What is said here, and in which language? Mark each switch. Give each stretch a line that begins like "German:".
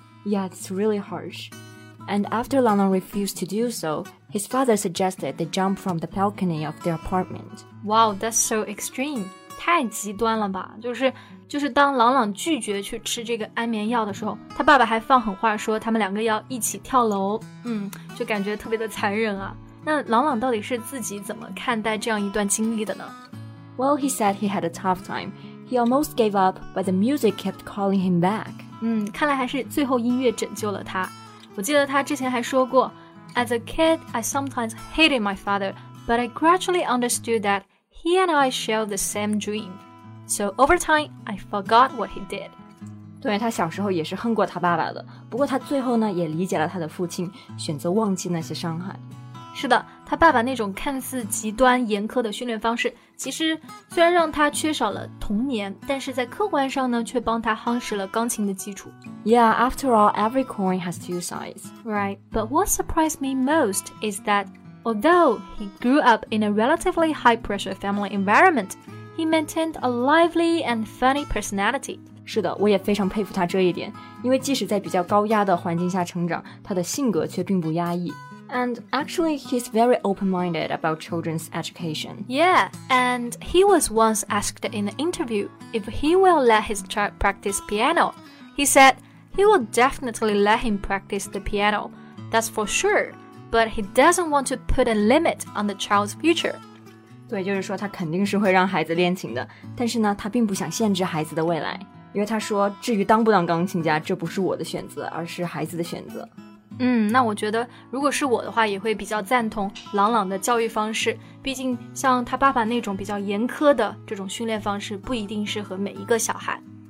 English: Yeah, it's really harsh. And after朗朗refused to do so, his father suggested they jump from the balcony of their apartment. Wow, that's so extreme.
Chinese: 太极端了吧。就是当朗朗拒绝去吃这个安眠药的时候，他爸爸还放狠话说他们两个要一起跳楼。就感觉特别的残忍啊。那朗朗到底是自己怎么看待这样一段经历的呢？
English: Well, he said he had a tough time. He almost gave up, but the music kept calling him back.
Chinese: 看来还是最后音乐拯救了他。我记得他之前还说过，
English: As a kid, I sometimes hated my father, but I gradually understood that he and I share the same dream. So over time, I forgot what he did.
Chinese: 对，他小时候也是恨过他爸爸的，不过他最后呢也理解了他的父亲，选择忘记那些伤害。是的，他爸爸那种看似极端严苛的训练方式，其实虽然让他缺少了童年，但是在客观上呢却帮他夯实了钢琴的基础。
English: Yeah, after all, every coin has two sides. Right, but what surprised me most is that although he grew up in a relatively high-pressure family environment, he maintained a lively and funny personality.
Chinese: 是的，我也非常佩服他这一点，因为即使在比较高压的环境下成长，他的性格却并不压抑。
English: And actually, he's very open-minded about children's education. Yeah, and he was once asked in an interview if he will let his child practice piano. He said he will definitely let him practice the piano, that's for sure, but he doesn't want to put a limit on the child's future.
Chinese: 对，就是说他肯定是会让孩子练琴的，但是呢，他并不想限制孩子的未来。因为他说至于当不当钢琴家，这不是我的选择，而是孩子的选择。那我觉得如果是我的话，也会比较赞同朗朗的教育方式，毕竟像他爸爸那种比较严苛的这种训练方式不一定适合每一个小孩。